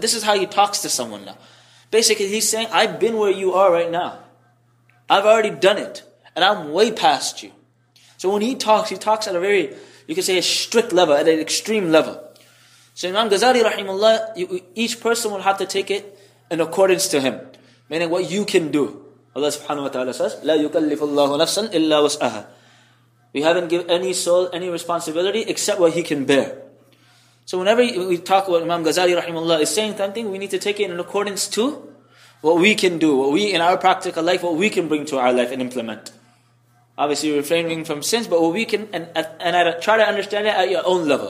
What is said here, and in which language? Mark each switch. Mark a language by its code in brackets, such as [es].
[en] This is how he talks to someone now. Basically, he's saying, I've been where you are right now. I've already done it. And I'm way past you. So when he talks at a very, you could say, a strict level, at an extreme level. So Imam Ghazali rahimullah, each person will have to take it in accordance to him. Meaning what you can do. [ar] Allah subhanahu wa ta'ala says, لا يكلف الله نفسا إلا وسعها. [en] We haven't given any soul any responsibility except what he can bear. So whenever we talk about Imam Ghazali rahimullah is saying something, we need to take it in accordance to what we can do, what we in our practical life, what we can bring to our life and implement. Obviously refraining from sins, but what we can, and try to understand it at your own level.